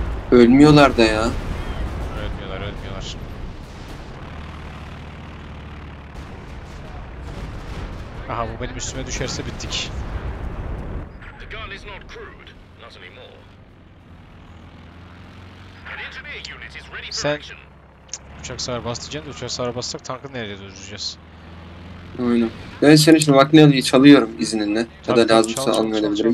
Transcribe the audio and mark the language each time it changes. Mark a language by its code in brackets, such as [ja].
[tr] Ölmüyorlar da ya. Ölmüyorlar, ölmüyorlar. Aha bu benim üstüme düşerse bittik. [en] The gun is not crude, not anymore. An engineer unit is ready for action. [tr] Uçak sarı bastıracağım da uçak sarı bastık, tankı nereye döndüreceğiz? Aynen. Ben senin için makineliği çalıyorum izninle. Ya da lazımsa almayabilirim.